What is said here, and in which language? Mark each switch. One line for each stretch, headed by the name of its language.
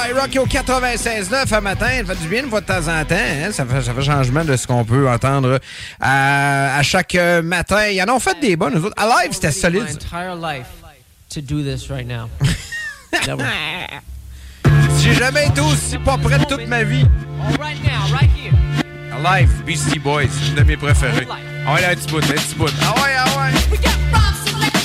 French: Qui au 96.9 à matin, ça fait du bien une fois de temps en temps, hein? Ça fait changement de ce qu'on peut entendre à chaque matin. Ils en ont fait des bonnes, nous autres. Alive, c'était solide.
English: My entire life to do this right now.
French: Si jamais été aussi pas prêt de toute ma vie. Life, Beastie Boys, une de mes préférées. Ah ouais, là, un petit bout, un petit bout. Ah ouais, ah ouais.